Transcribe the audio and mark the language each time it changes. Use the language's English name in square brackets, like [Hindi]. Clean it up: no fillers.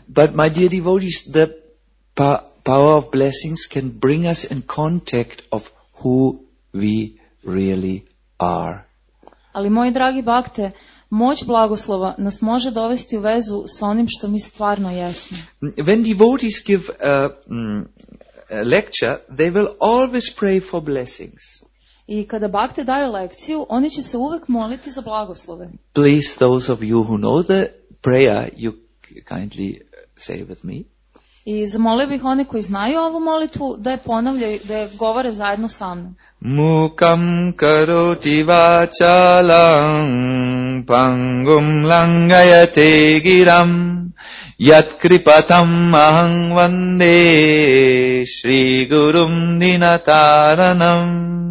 [English] But my dear devotees, the power of blessings can bring us in contact of who we really are. [Serbian] Ali moji dragi bakte, moć blagoslova nas može dovesti u vezu sa onim što mi stvarno jesmo. [English] When devotees give a lecture, they will always pray for blessings. [Serbian] I kada bakte daju lekciju, oni će se uvek moliti za blagoslove. [English] Please, those of you who know the prayer, you kindly say with me. [Serbian] I zamolio bih one koji znaju ovu molitvu da je ponavljaju, da je govore zajedno sa mnom. [Sanskrit] Mukam karoti vachalam pangum langayate giram yat kripatam aham vande shri gurum dinataranam.